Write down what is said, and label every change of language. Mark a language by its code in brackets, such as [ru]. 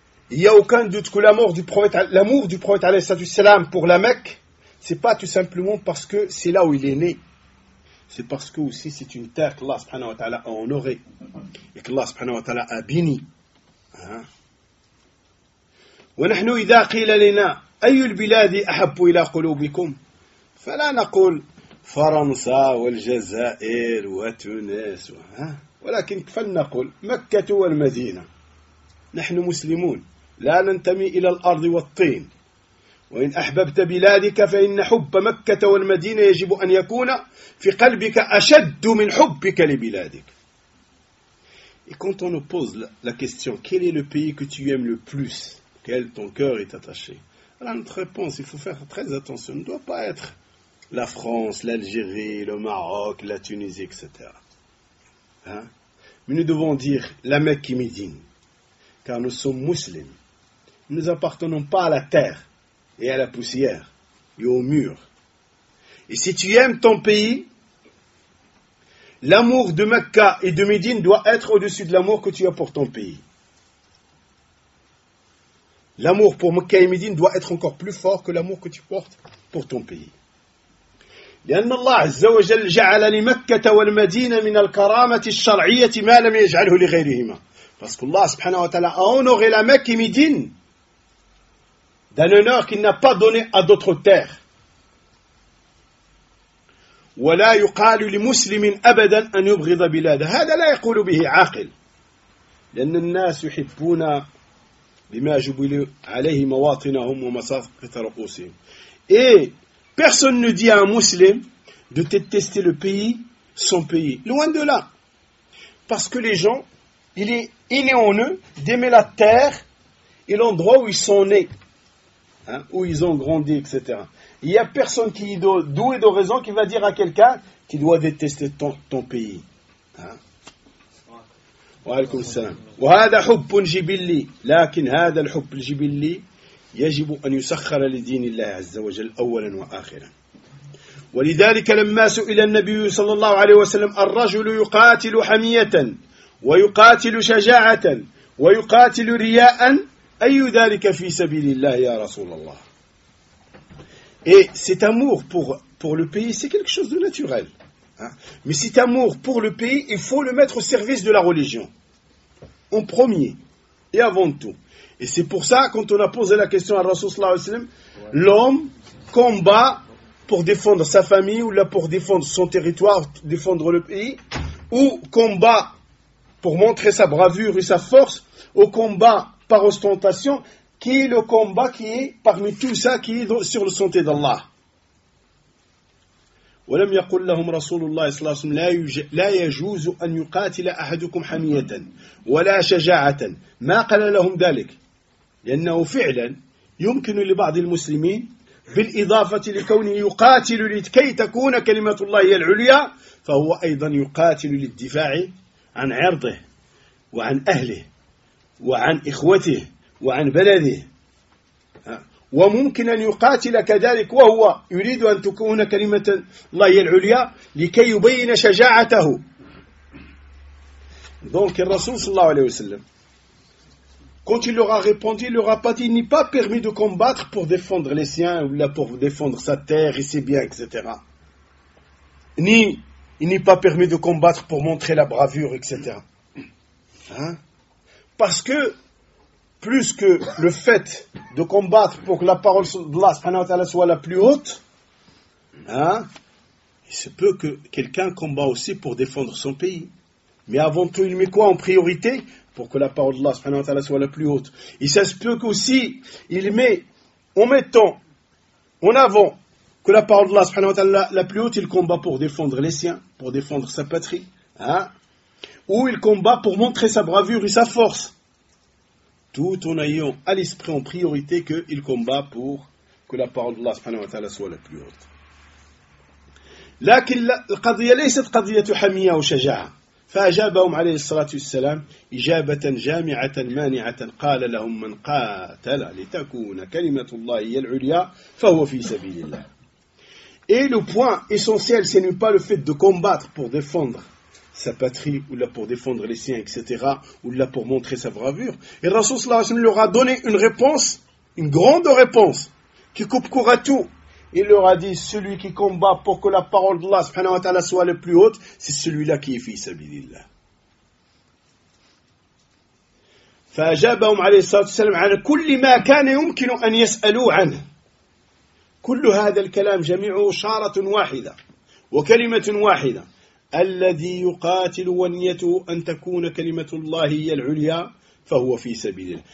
[fr] Il n'y a aucun doute que l'amour du prophète alayhi salatu salam pour la Mecque, c'est pas tout simplement parce que c'est là où il est né, c'est parce que aussi c'est une terre qu'Allah subhanahu wa ta'ala a honorée et qu'Allah subhanahu wa ta'ala a béni. [ar] ونحن إذا قيل لنا أي البلاد أحب إلى قلوبكم فلا نقول فرنسا والجزائر وتونس ولكن فلنقول مكة والمدينة. نحن مسلمون لا ننتمي إلى الأرض والطين، وإن أحببت بلادك فإن حب مكة والمدينة يجب أن يكون في قلبك أشد من حبك لبلادك. [fr] Et quand on nous pose la question, quel est le pays que tu aimes le plus, quel ton cœur est attaché? Alors notre réponse, il faut faire très attention, ne doit pas être la France, l'Algérie, le Maroc, la Tunisie, etc. Mais nous devons dire la Mecque et Médine, car nous sommes musulmans. Nous appartenons pas à la terre et à la poussière et aux murs. Et si tu aimes ton pays, l'amour de Mecca et de Médine doit être au-dessus de l'amour que tu as pour ton pays. L'amour pour Mecca et Médine doit être encore plus fort que l'amour que tu portes pour ton pays. [ar] لأن الله عز وجل جعل لمكة والمدينة من الكرامة الشرعية ما لم يجعله لغيرهما. [fr] Parce que Allah [ar] سبحانه وتعالى [fr] a honoré la Mecque et Médine d'un honneur qu'il n'a pas donné à d'autres terres. [ar] ولا يقال لمسلم أبدا أن يبغض بلاده. هذا لا يقول به عاقل. لأن الناس يحبون بما جبل عليه مواطنهم ومساقط رؤوسهم. [fr] Personne ne dit à un musulman de détester le pays, son pays. Loin de là. Parce que les gens, il est inné en eux d'aimer la terre et l'endroit où ils sont nés, où ils ont grandi, etc. Il n'y a personne qui est doué de raison qui va dire à quelqu'un qu'il doit détester ton pays. [ar] وعليكم السلام. وهذا حب جبلي، لكن هذا الحب الجبلي يجب أن يسخر لدين الله عز وجل أولا وآخرا. ولذلك لما سئل النبي صلى الله عليه وسلم الرجل يقاتل حمية ويقاتل شجاعة ويقاتل رياء أي ذلك في سبيل الله يا رسول الله. [fr] Et cet amour pour le pays, c'est quelque chose de naturel. Hein? Mais cet amour pour le pays, il faut le mettre au service de la religion. En premier et avant tout. Et c'est pour ça, quand on a posé la question à Rasoul sallallahu alayhi wa sallam, l'homme combat pour défendre sa famille, ou là pour défendre son territoire, défendre le pays, ou combat pour montrer sa bravure et sa force, ou combat par ostentation, qui est le combat qui est parmi tout ça, qui est sur le santé d'Allah. [ar] وَلَمْ يَقُلْ لَهُمْ رَسُولُ اللَّهِ صَلَّى اللَّهُ عَلَيْهِ وَسَلَّمَ لَا يَجُوزُ أَنْ يُقَاتِلَ أَحَدُكُمْ حَمِيَّةً وَلَا شَجَاعَةً مَا قَالَ لَهُمْ ذَلِكَ لأنه فعلا يمكن لبعض المسلمين بالإضافة لكونه يقاتل لكي تكون كلمة الله هي العليا فهو أيضا يقاتل للدفاع عن عرضه وعن أهله وعن إخوته وعن بلده وممكن أن يقاتل كذلك وهو يريد أن تكون كلمة الله هي العليا لكي يبين شجاعته. دونك الرسول صلى الله عليه وسلم [fr] quand il leur a répondu, il leur a pas dit, n'est pas permis de combattre pour défendre les siens, ou là pour défendre sa terre et ses biens, etc. Ni, il n'est pas permis de combattre pour montrer la bravure, etc. Hein? Parce que, plus que le fait de combattre pour que la parole d'Allah soit la plus haute, hein, il se peut que quelqu'un combat aussi pour défendre son pays. Mais avant tout, il met quoi en priorité ? Pour que la parole d'Allah subhanahu wa ta'ala soit la plus haute. Et ça se peut qu'aussi, il met, en mettant en avant que la parole d'Allah subhanahu wa ta'ala la plus haute, il combat pour défendre les siens, pour défendre sa patrie. Hein? Ou il combat pour montrer sa bravure et sa force. Tout en ayant à l'esprit en priorité qu'il combat pour que la parole d'Allah subhanahu wa ta'ala soit la plus haute. [ar] لكن القضية ليست قضية حمية أو شجاعة. فأجابهم عليه الصلاة والسلام إجابة جامعة مانعة قال لهم من قاتل لتكون كلمة الله هي العليا فهو في سبيل الله. [fr] Et le point essentiel, ce n'est pas le fait de combattre pour défendre sa patrie, ou là pour défendre les siens, etc., ou là pour montrer sa bravure. Et le Rasoul sallallahu alayhi wa sallam leur a donné une réponse, une grande réponse, qui coupe court à tout. Il leur a dit, celui qui combat pour que la parole d'Allah subhanahu wa ta'ala soit la plus haute, c'est celui-là qui est fi sabilillah. [ar] فأجابهم عليه الصلاة والسلام عن كل ما كان يمكن أن يسألوا عنه. كل هذا الكلام جميعه شارة واحدة وكلمة واحدة. الذي يقاتل ونيته أن تكون كلمة الله هي العليا فهو في سبيل الله.